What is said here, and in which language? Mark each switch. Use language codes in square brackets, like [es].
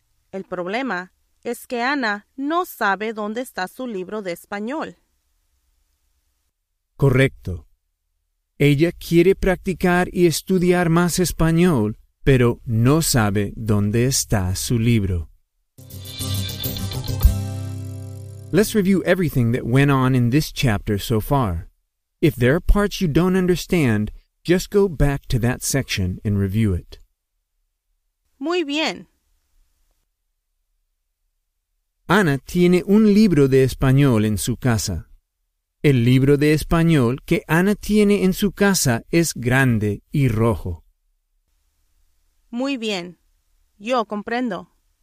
[es] El problema es que Ana no sabe dónde está su libro de español. Correcto. Ella quiere practicar y estudiar más español, pero no sabe dónde está su libro. [en] Let's review everything that went on in this chapter so far. If there are parts you don't understand, just go back to that section and review it. [es] Muy bien. Ana tiene un libro de español en su casa. El libro de español que Ana tiene en su casa es grande y rojo. Muy bien. Yo comprendo.